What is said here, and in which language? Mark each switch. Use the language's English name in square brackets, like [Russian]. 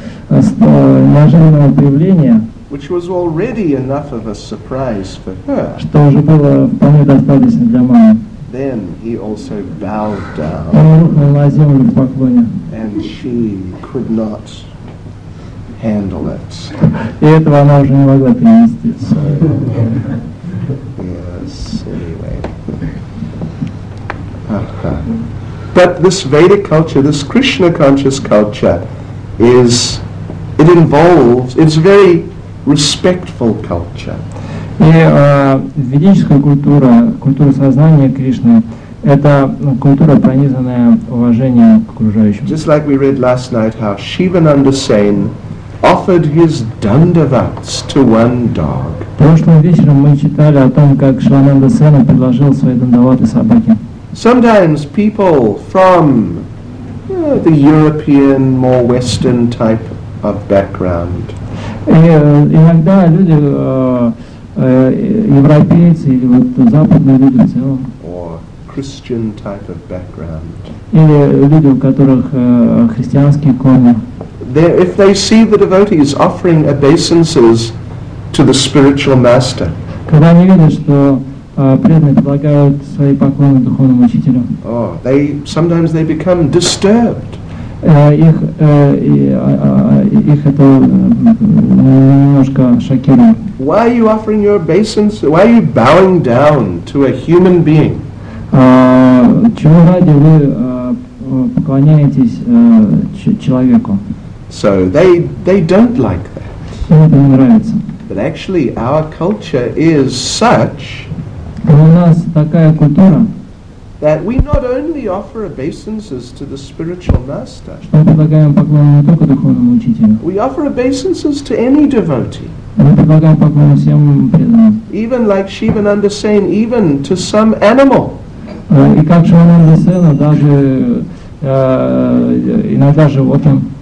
[Russian] Неожиданного появления. [English] Which was already enough of a surprise for her. [Russian] Что уже было вполне достаточно для мамы. [English] Then he also bowed down. [Russian] Он рухнул на землю в поклоне. [English] And she could not handle it. [Russian] И этого она уже не могла перенести. [English] Yes, anyway. But this Vedic culture, this Krishna conscious culture, it's a very respectful culture. [Russian] И ведическая культура, культура сознания Кришны, это культура, пронизанная уважением к окружающим. [English] Just like we read last night how Shivananda Sen offered his dandavats to one dog. [Russian] Прошлым вечером мы читали о том, как Шивананда Сен предложил свои дандаваты собаке. [English] Sometimes people from the European, more Western type of background. [Russian] Иногда люди, европейцы или вот западные люди в целом. [English] Or Christian type of background. [Russian] Или люди, у которых христианские корни. [English] If they see the devotees offering obeisances to the spiritual master. [Russian] Когда они видят, что преданные предлагают свои поклоны духовному учителю. [English] Sometimes they become disturbed. [Russian] Их это немножко шокирует. [English] Why are you offering your obeisance? Why are you bowing down to a human being? [Russian] Чего ради вы поклоняетесь человеку? [English] So they don't like that. [Russian] Им это не нравится. [English] But actually, our culture is such. [Russian] У нас такая культура, [English] that we not only offer obeisances to the spiritual master, [Russian] что мы предлагаем поклоны не только духовному учителю, [English] we offer obeisances to any devotee, [Russian] мы предлагаем поклоны всем преданным, [English] even like Shivananda Sen, even to some animal, [Russian] и как Шивананда Сен, даже иногда животным.